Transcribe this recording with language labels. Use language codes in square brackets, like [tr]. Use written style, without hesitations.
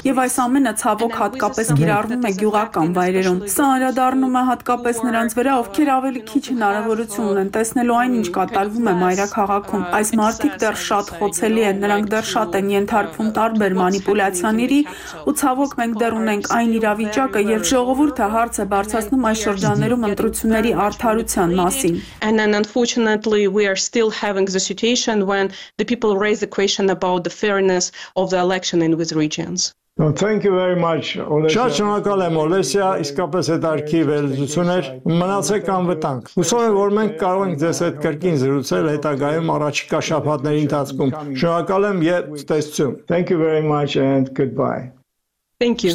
[hy] եւ այս ամենը ցավոք հատկապես գիրառվում է գյուղական վայրերում։ Սա անդրադառնում է հատկապես նրանց վրա, ովքեր ավելի քիչ հնարավորություն ունեն տեսնելու այն, ինչ կատարվում է մայրաքաղաքում։ Այս մարդիկ դեռ շատ խոցելի են, նրանք դեռ շատ են ենթարկվում տարբեր մանիպուլյացիաների, ու ցավոք մենք դեռ ունենք այն իրավիճակը, երբ ժողովուրդը հարց է բարձրացնում այս շրջաններում ընտրությունների արդարության մասին։ [en] When the people raise the question about the fairness of the election in these regions. No, thank you very much, Olesya. [hy] Շատ շնորհակալ եմ, Օլեսիա, իսկապես հետաքրքիր վերլուծություններ։ Մնացեք անվտանգ։ Հուսով եմ, որ մենք կարող ենք ձեզ հետ կրկին զրուցել հետագայում առաջիկա շաբաթների ընթացքում։ Շնորհակալ եմ եւ տեսություն։ [en] Thank you very much and goodbye. Thank you.